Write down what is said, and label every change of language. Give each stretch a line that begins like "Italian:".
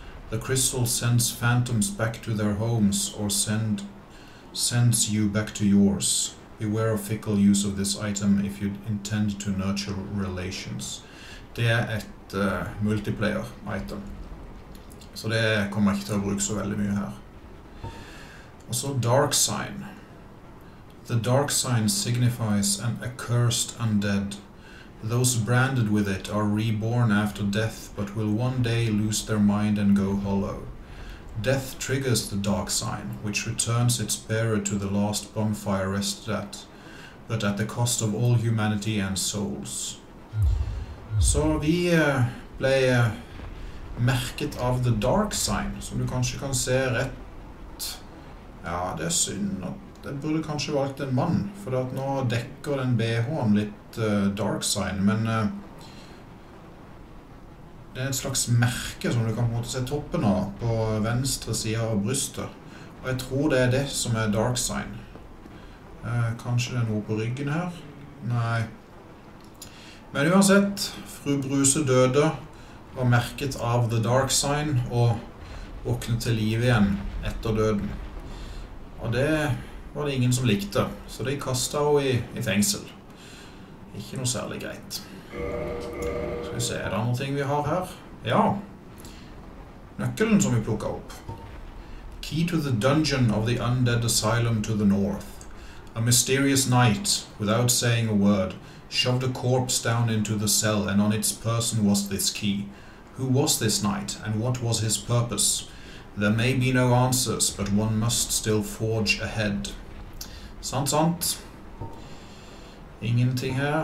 English: The crystal sends phantoms back to their homes, or sends you back to yours. Beware of fickle use of this item if you intend to nurture relations.
Norwegian: Det er et multiplayer item. Så det kommer ikke til å bruke så veldig mye her. Og så
English: dark sign. The dark sign signifies an accursed undead. Those branded with it are reborn after death, but will one day lose their mind and go hollow. Death triggers the dark sign, which returns its bearer to the last bonfire rested at, but at the cost of all humanity and souls.
Norwegian: Så vi ble merket av the dark sign, som du kanskje kan se rett. Ja, det er synd at jeg burde kanskje valgt en mann, for at nå dekker den BH-en litt dark sign, men det er et slags merke som du kan på en måte se toppen av på venstre side av brystet. Og jeg tror det er det som er dark sign. Kanskje det er noe på ryggen her? Nei. Men uansett, fru Bruse døde, var merket av the dark sign og våknet til liv igjen etter døden. Og det var det ingen som likte, så de kastet henne i fengsel. Ikke noe særlig greit. Skal vi se, er det andre ting vi har her? Ja! Nøkkelen som vi plukket opp.
English: Key to the dungeon of the undead asylum to the north. A mysterious knight, without saying a word, shoved a corpse down into the cell, and on its person was this key. Who was this knight, and what was his purpose? There may be no answers, but one must still forge ahead.
Norwegian: Sant, sant. Ingenting her.